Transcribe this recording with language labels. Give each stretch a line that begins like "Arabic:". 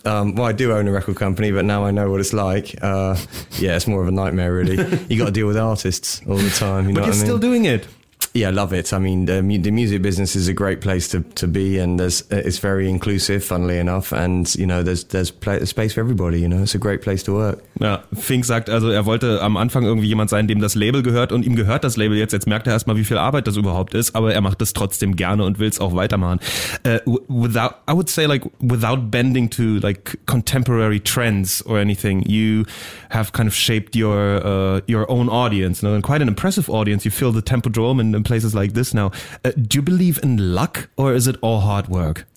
English: Well, I do own a record company, but now I know what it's like. Yeah, it's more of a nightmare, really. You got to deal with artists all the time. But you're still doing it. Yeah, I love it. I mean, the music business is a great place to be, and it's very inclusive, funnily enough. And, you know, there's space for everybody, you know. It's a great place to work.
German: Ja, Fink sagt also, er wollte am Anfang irgendwie jemand sein, dem das Label gehört, und ihm gehört das Label jetzt. Jetzt merkt er erstmal, wie viel Arbeit das überhaupt ist, aber er macht das trotzdem gerne und will es auch weitermachen.
English: Without bending to, like, contemporary trends or anything, you have kind of shaped your own audience, you know, and quite an impressive audience. You fill the Tempodrome in places like this now. Do you believe in luck, or is it all hard work?